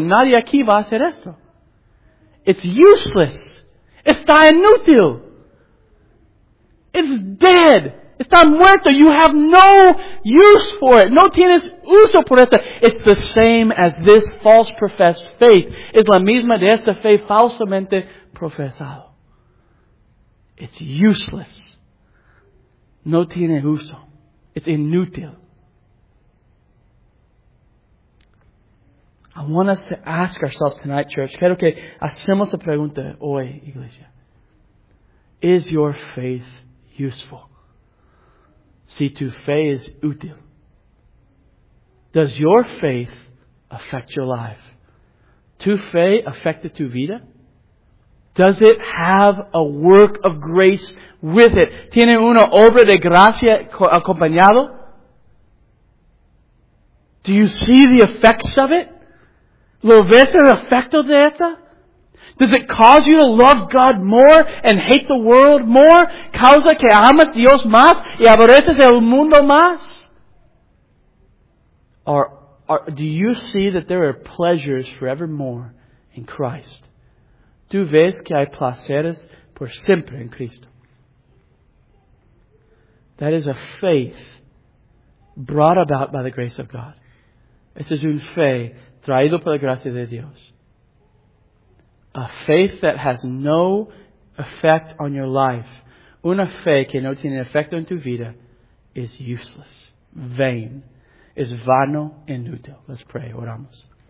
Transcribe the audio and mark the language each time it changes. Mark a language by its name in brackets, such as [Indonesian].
[Spanish] Nadie aquí va a hacer esto. [English] It's useless. [Spanish] Está inútil. [English] It's dead. [Spanish] Está muerto. [English] You have no use for it. [Spanish] No tienes uso por esto. [English] It's the same as this false professed faith. [Spanish] Es la misma de esta fe falsamente profesado. [English] It's useless. [Spanish] No tiene uso. It's inútil. [English] I want us to ask ourselves tonight, church. [Spanish] Quiero que hacemos la pregunta hoy, iglesia. [English] Is your faith useful? [Spanish] Si tu fe es útil. [English] Does your faith affect your life? [Spanish] Tu fe afecta tu vida? [English] Does it have a work of grace with it? [Spanish] ¿Tiene una obra de gracia acompañado? [English] Do you see the effects of it? [Spanish] ¿Lo ves el efecto de esta? [English] Does it cause you to love God more and hate the world more? [Spanish] ¿Causa que amas Dios más y aborreces el mundo más? [English] Or do you see that there are pleasures forevermore in Christ? [Spanish] ¿Tú ves que hay placeres por siempre en Cristo? [English] That is a faith brought about by the grace of God. [Spanish] Esa es una fe traída por la gracia de Dios. [English] A faith that has no effect on your life, [Spanish] una fe que no tiene efecto en tu vida, [English] is useless, vain, [Spanish] es vano, inútil. [English] Let's pray. [Spanish] Oramos.